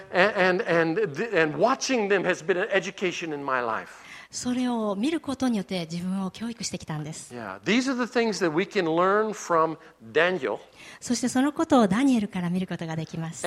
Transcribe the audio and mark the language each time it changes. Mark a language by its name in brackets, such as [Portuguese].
[English] And watching them has been an education in my life. [Japanese] それを見ることによって自分を教育してきたんです。 [English] Yeah. These are the things that we can learn from Daniel. [Japanese] そしてそのことをダニエルから見ることができます。